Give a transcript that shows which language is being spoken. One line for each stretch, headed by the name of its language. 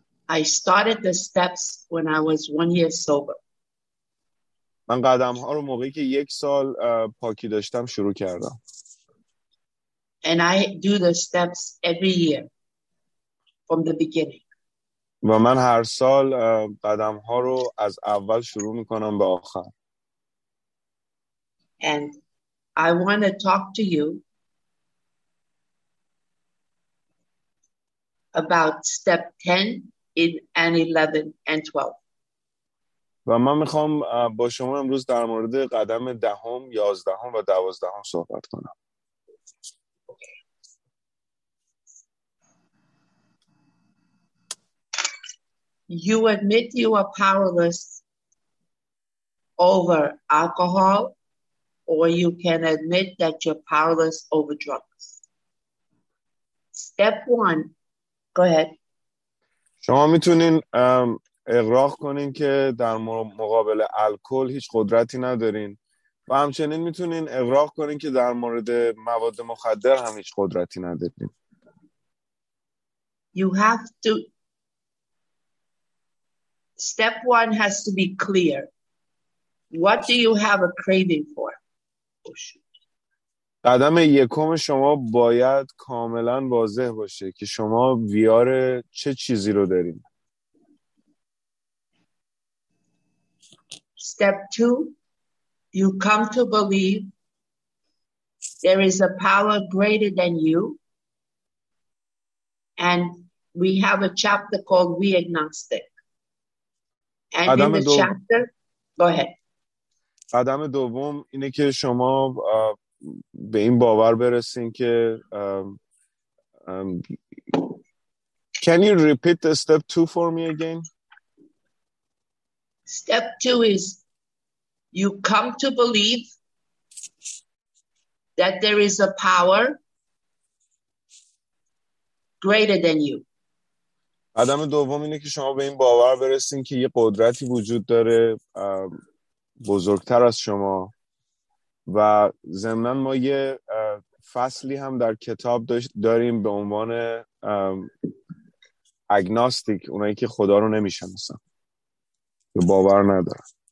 English: I started the steps when I was 1 year sober.
Persian: من قدم ها رو موقعی که یک سال پاکی داشتم شروع کردم.
English: And I do the steps every year from the beginning.
Persian: و من هر سال قدم ها رو از اول شروع میکنم به آخر.
English: And I want to talk to you about step 10 in and 11 and 12.
Persian: و من میخوام با شما امروز در مورد قدم دهم، یازدهم و دوازدهم صحبت کنم.
English: You admit you are powerless over alcohol, or you can admit that you're powerless over drugs. Step one. Go ahead.
Persian: شما میتونین اقرار کنین که در مقابل الکل هیچ قدرتی ندارین و همچنین میتونین اقرار کنین که در مورد مواد مخدر هم هیچ قدرتی ندارین.
English: You have to step one has to be clear. What do you have a craving for?
Persian: قدم یکم شما باید کاملا واضح باشه که شما ویار چه چیزی رو دارین.
English: Step two, you come to believe there is a power greater than you. And we have a chapter called We Agnostic. And in the chapter, go ahead.
Persian: قدم دوم اینه که شما به این باور برسین که
English: Can you repeat the step two for me again? Step two is you come to believe that there is a power greater than you.
Persian: قدم دوم اینه که شما به این باور برسین که یه قدرتی وجود داره بزرگتر از شما. و ضمناً ما یه فصلی هم در کتاب داریم به عنوان اگناستیک، اونایی که خدا رو نمیشناسن یا باور ندارن.